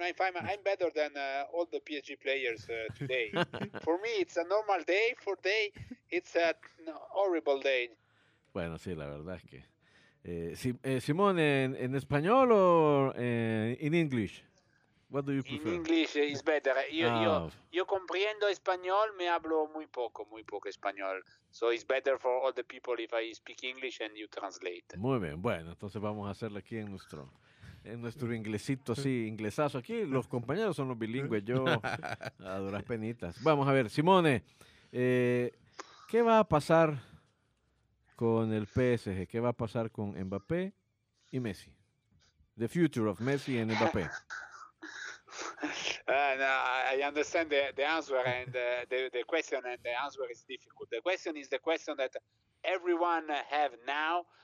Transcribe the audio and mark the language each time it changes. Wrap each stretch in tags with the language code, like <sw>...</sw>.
<en>I'm better than all the PSG players today. For me, it's a normal day. For day, it's a horrible day.</en> <es>Bueno, sí, la verdad es que... Simone, ¿en español o</es> <en>in English? What do you prefer? In English is better.</en> <es>Yo comprendo español, me hablo muy poco español.</es> <en>So it's better for all the people if I speak English and you translate.</en> <es>Muy bien, bueno, entonces vamos a hacerlo aquí en nuestro inglesito, sí, inglesazo. Aquí los compañeros son los bilingües, yo a duras penitas. Vamos a ver, Simone, ¿qué va a pasar con el PSG? ¿Qué va a pasar con Mbappé y Messi?</es> <en>The future of Messi and Mbappé. No, I understand the answer and the question, and the answer is difficult. The question is the question that everyone have now.</en>